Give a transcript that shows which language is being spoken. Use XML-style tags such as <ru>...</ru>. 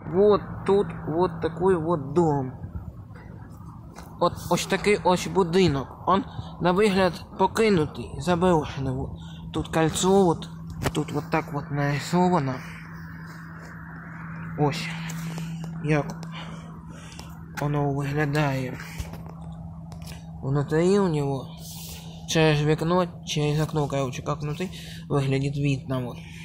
<ru>Вот тут вот такой вот дом.</ru> <uk>От ось такий ось будинок. Он на вигляд покинутий, заброшений.</uk> <ru>Вот. Тут кольцо, вот тут вот так вот нарисовано.</ru> <uk>Ось. Як воно виглядає. Внутрі у нього. Через вікно,</uk> <ru>через окно, короче, как внутри выглядит вид на вот.</ru>